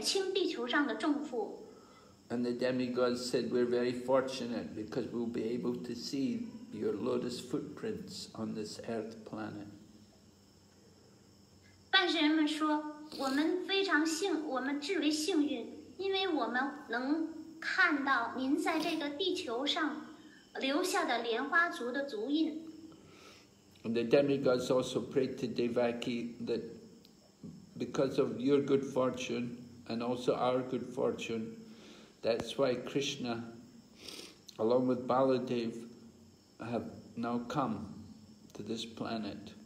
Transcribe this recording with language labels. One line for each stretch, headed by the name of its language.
Chinese: 半神祈祷说：“我们至为幸运，因为您降临地球，来铲除恶魔，来减轻地球上的重负。”
English: And the demigods said, "We're very fortunate because we'll be able to see your lotus footprints on this earth planet."
Chinese: 半神们说：“我们非常幸，我们至为幸运，因为我们能看到您在这个地球上。”
English: And the demigods also prayed to Devaki that because of your good fortune and also our good fortune, that's why Krishna, along with Baladev, have now come to this planet.